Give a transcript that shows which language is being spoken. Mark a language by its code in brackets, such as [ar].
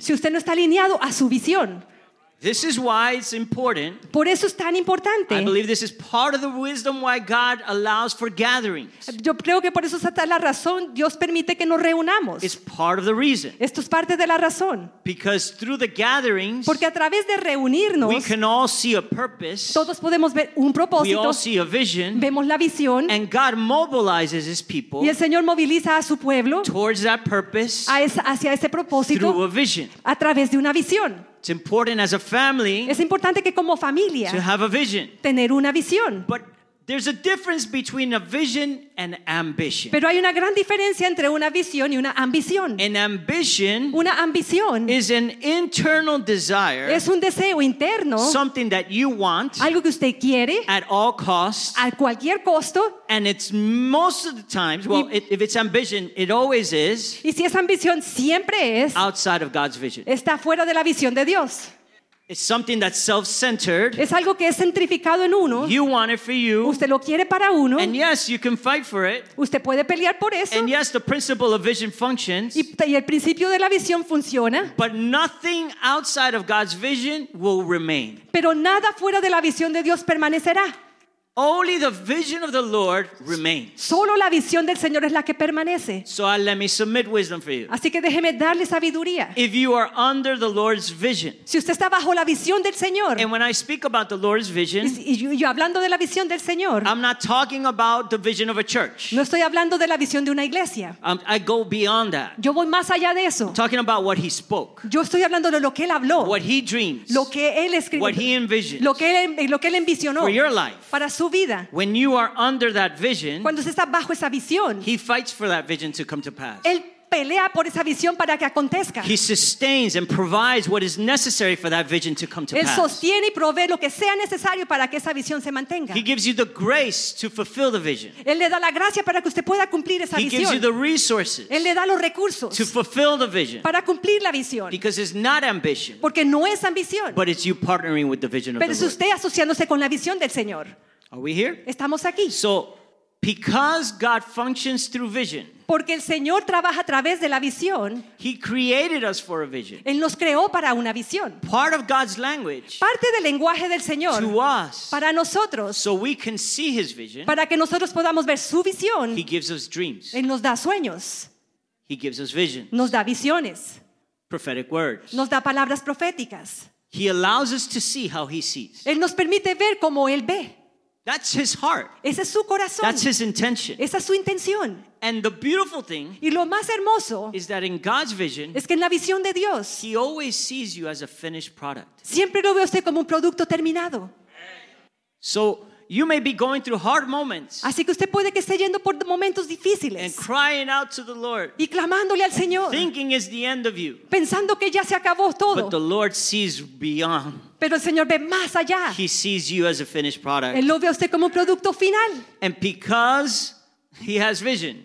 [es] Si usted no está alineado a su visión. [en] This is why it's important. [es] Por eso es tan importante. [en] I believe this is part of the wisdom why God allows for gatherings. [es] Yo creo que por eso está la razón Dios permite que nos reunamos. [en] It's part of the reason. [es] Esto es parte de la razón. [en] Because through the gatherings, [es] porque a través de reunirnos, [en] we can all see a purpose. [es] Todos podemos ver un propósito. [en] We all see a vision. [es] Vemos la visión. [en] And God mobilizes His people. [es] Y el Señor moviliza a su pueblo [en] towards that purpose. [es] Hacia ese propósito. [en] Through a vision. [es] A través de una visión. [en] It's important as a family. [es] Es importante que como familia, [en] to have a vision. [es] Tener una visión. [en] But there's a difference between a vision and ambition. [es] Pero hay una gran diferencia entre una visión y una ambición. [en] An ambition, [es] una ambición, [en] is an internal desire. [es] Es un deseo interno. [en] Something that you want. [es] Algo que usted quiere. [en] At all costs. [es] A cualquier costo. [en] And it's most of the times, well, if it's ambition, it always is. [es] Y si es ambición, siempre es. [en] Outside of God's vision. [es] Está fuera de la visión de Dios. [en] It's something that's self-centered. [es] Es algo que es centrificado en uno. [en] You want it for you. [es] Usted lo quiere para uno. [en] And yes, you can fight for it. [es] Usted puede pelear por eso. [en] And yes, the principle of vision functions. [es] Y el principio de la visión funciona. [en] But nothing outside of God's vision will remain. [es] Pero nada fuera de la visión de Dios permanecerá. [en] Only the vision of the Lord remains. [es] Solo la visión del Señor es la que permanece. [en] So I let me submit wisdom for you. [es] Así que déjeme darle sabiduría. [en] If you are under the Lord's vision. [es] Si usted está bajo la visión del Señor. [en] And when I speak about the Lord's vision. [es] Y yo hablando de la visión del Señor. [en] I'm not talking about the vision of a church. [es] No estoy hablando de la visión de una iglesia. [en] I go beyond that. [es] Yo voy más allá de eso. [en] I'm talking about what he spoke. [es] Yo estoy hablando de lo que él habló. [en] What he dreams. [es] Lo que él escribió. [en] What he envisioned. [es] Lo que él envisionó. [en] For your life. [es] Para su vida. [en] When you are under that vision, [es] cuando usted está bajo esa visión, [en] he fights for that vision to come to pass. [es] Él pelea por esa visión para que acontezca. [en] He sustains and provides what is necessary for that vision to come to pass. [es] Él sostiene y provee lo que sea necesario para que esa visión se mantenga. [en] He gives you the grace to fulfill the vision. [es] Él le da la gracia para que usted pueda cumplir esa [en] he [es] visión. [en] He gives you the resources. [es] Él le da los recursos [en] to fulfill the vision. [es] Para cumplir la visión. [en] Because it's not ambition. [es] Porque no es ambición. [en] But it's you partnering with the vision [es] pero [en] of the Lord. [es] Pero es usted asociándose con la visión del Señor. [en] Are we here? [es] Estamos aquí. [en] So, because God functions through vision. [es] Porque el Señor trabaja a través de la visión. [en] He created us for a vision. [es] Él nos creó para una visión. [en] Part of God's language. [es] Parte del lenguaje del Señor. [en] To us. [es] Para nosotros. [en] So we can see his vision. [es] Para que nosotros podamos ver su visión. [en] He gives us dreams. [es] Él nos da sueños. [en] He gives us visions. [es] Nos da visiones. [en] Prophetic words. [es] Nos da palabras proféticas. [en] He allows us to see how he sees. [es] Él nos permite ver como él ve. [en] That's his heart. [es] Ese es su corazón. [en] That's his intention. [es] Esa es su intención. [en] And the beautiful thing [es] y lo más hermoso [en] is that in God's vision, [es] es que en la visión de Dios, [en] he always sees you as a finished product. [es] Siempre lo ve usted como un producto terminado. [en] So you may be going through hard moments. [es] Así que usted puede que esté yendo por momentos difíciles. [en] And crying out to the Lord. [es] Y clamándole al Señor. [en] Thinking is the end of you. [es] Pensando que ya se acabó todo. [en] But the Lord sees beyond. [es] Pero el Señor ve más allá. [en] He sees you as a finished product. [es] Él lo ve a usted como producto final. [en] And because he has vision.